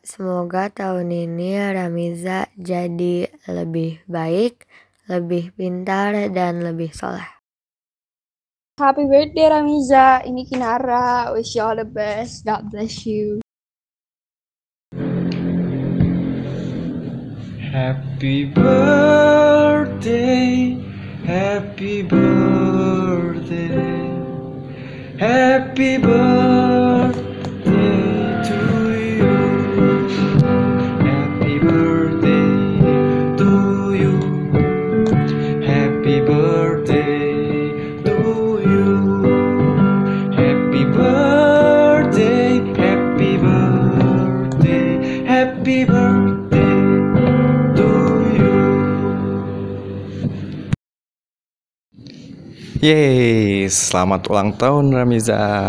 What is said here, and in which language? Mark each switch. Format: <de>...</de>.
<id>Semoga tahun ini Ramiza jadi lebih baik, lebih pintar, dan lebih soleh.</id> <en>Happy birthday Ramiza,</en> <id>ini Kinara.</id> <en>Wish you all the best, God bless you. Happy birthday, happy birthday, happy birthday to you. Happy birthday to you. Happy birthday to you. Happy birthday, happy birthday, happy birthday to you.</en> <id>Yeay, selamat ulang tahun Ramiza.</id>